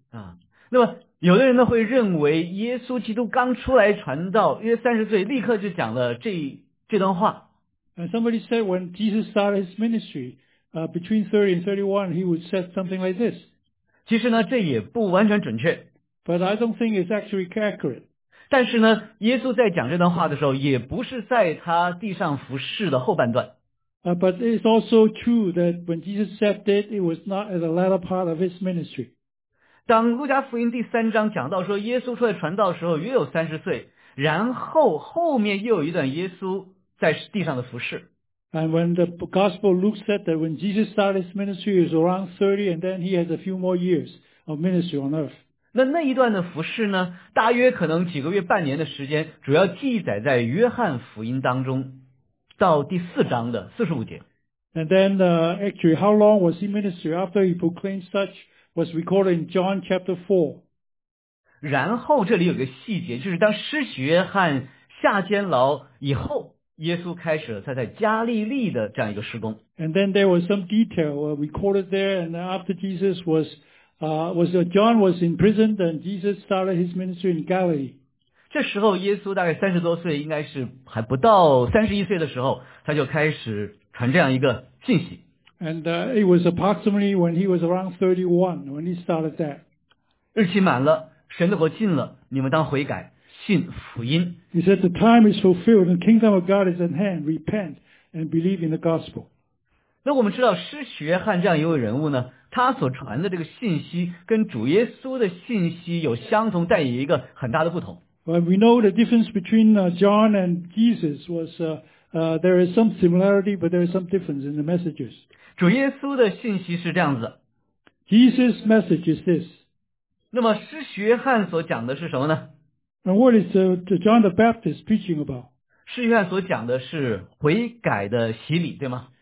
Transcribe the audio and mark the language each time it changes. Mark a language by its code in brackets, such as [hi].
[zh] 啊，那么有的人呢会认为耶稣基督刚出来传道，约30岁，立刻就讲了这段话。 [en] And somebody said when Jesus started his ministry, between 30 and 31, he would say something like this. [zh] 其实呢，这也不完全准确。 [en] But I don't think it's actually accurate. [zh] 但是呢，耶稣在讲这段话的时候，也不是在他地上服事的后半段。 [en] But it's also true that when Jesus said it, it was not at the latter part of his ministry. [zh] 当路加福音第三章讲到说耶稣出来传道的时候，约有30岁，然后后面又有一段耶稣在地上的服事。 [en] And when the Gospel Luke said that when Jesus started his ministry, he was around 30, and then he has a few more years of ministry on earth. [zh] 那一段的服事呢，大约可能几个月、半年的时间，主要记载在约翰福音当中，到第四章的45节。 [en] And then, actually, how long was he ministry after he proclaimed such was recorded in John chapter 4? [zh] 然后这里有个细节，就是当施洗约翰下监牢以后，耶稣开始了他在加利利的这样一个施工。 [en] And then there was some detail recorded there, and after Jesus John was in prison, then Jesus started his ministry in Galilee. [zh] 这时候耶稣大概30多岁，应该是还不到31岁的时候，他就开始传这样一个信息。 [en] And it was approximately when he was around 31 when he started that. [zh] 日期满了，神的国近了，你们当悔改。信福音。 [en] He said the time is fulfilled, the kingdom of God is at hand. Repent and believe in the gospel. [zh] 那我们知道施洗约翰这样一位人物呢，他所传的这个信息跟主耶稣的信息有相同，但也有一个很大的不同。 [en] Well, we know the difference between John and Jesus was there is some similarity, but there is some difference in the messages. [zh] 主耶稣的信息是这样子。 [en] Jesus' message is this. [zh] 那么施洗约翰所讲的是什么呢？ [en] And what is John the Baptist preaching about? [zh] 施约翰所讲的是悔改的洗礼，对吗？